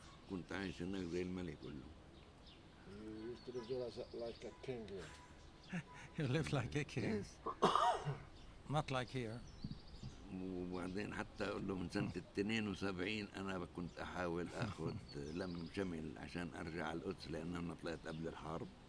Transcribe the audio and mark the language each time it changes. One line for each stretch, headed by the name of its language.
Arabic: كنت عايش هناك زي الملك كله.
English: You used to live there as a, like a king. You live like a king. Yes. Not like here.
Arabic: وبعدين حتى أقول له من سنة 72 أنا كنت أحاول أخذ لمن شمل عشان أرجع القدس لأن أنا طلعت قبل الحرب.